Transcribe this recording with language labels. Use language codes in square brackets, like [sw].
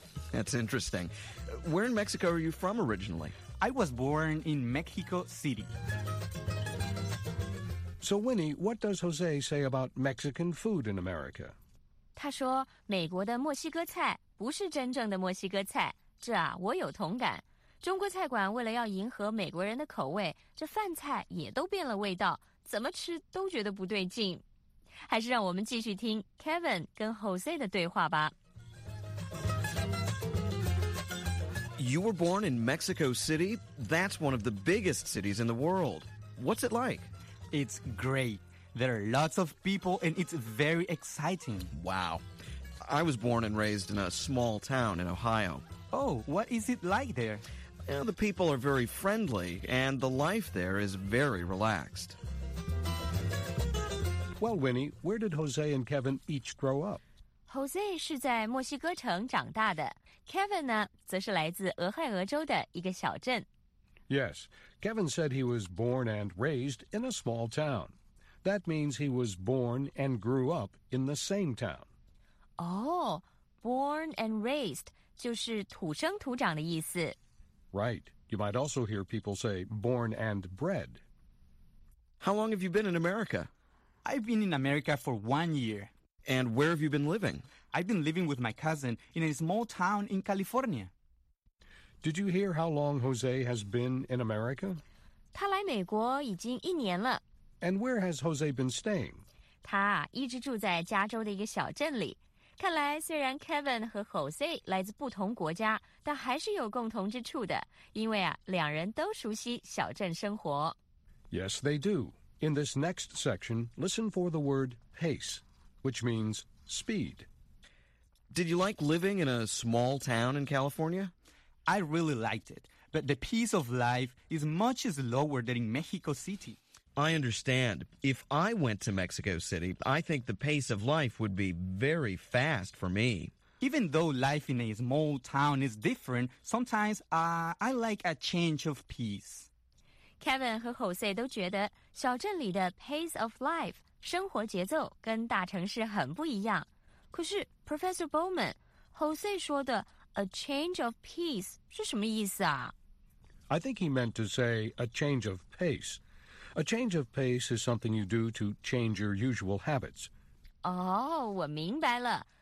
[en] That's interesting. Where in Mexico are you from originally? I was born in Mexico City. So, Winnie, what does Jose say about Mexican food in America? [zh] 他说美国的墨西哥菜不是真正的墨西哥菜，这啊，我有同感。中国菜馆为了要迎合美国人的口味，这饭菜也都变了味道，怎么吃都觉得不对劲。还是让我们继续听 Kevin 跟 Jose 的对话吧。 [en] You were born in Mexico City? That's one of the biggest cities in the world. What's it like? It's great. There are lots of people and it's very exciting. Wow. I was born and raised in a small town in Ohio. Oh, what is it like there? You know, the people are very friendly, and the life there is very relaxed. Well, Winnie, where did Jose and Kevin each grow up? [zh] Jose 是在墨西哥城长大的。Kevin 呢，则是来自俄亥俄州的一个小镇。 [en] Yes, Kevin said he was born and raised in a small town. That means he was born and grew up in the same town. Oh, born and raised, [zh] 就是土生土长的意思。 [en] Right. You might also hear people say born and bred. How long have you been in America? I've been in America for 1 year. And where have you been living? I've been living with my cousin in a small town in California. Did you hear how long Jose has been in America? [zh] 他来美国已经一年了。 [en] And where has Jose been staying? [zh] 他一直住在加州的一个小镇里。看来虽然 Kevin 和 Jose 来自不同国家，但还是有共同之处的，因为啊，两人都熟悉小镇生活。 [en] Yes, they do. In this next section, listen for the word pace, which means speed. Did you like living in a small town in California? I really liked it, but the pace of life is much slower than in Mexico City. I understand. If I went to Mexico City, I think the pace of life would be very fast for me. Even though life in a small town is different, sometimes, I like a change of pace. [zh] Kevin 和 Jose 都觉得小镇里的 [en] pace of life, [zh] 生活节奏跟大城市很不一样。可是 Professor Bowman, Jose 说的 [en] a change of pace [zh] 是什么意思啊? [en] I think he meant to say a change of pace. A change of pace is something you do to change your usual habits. [zh] Oh, 我明白了。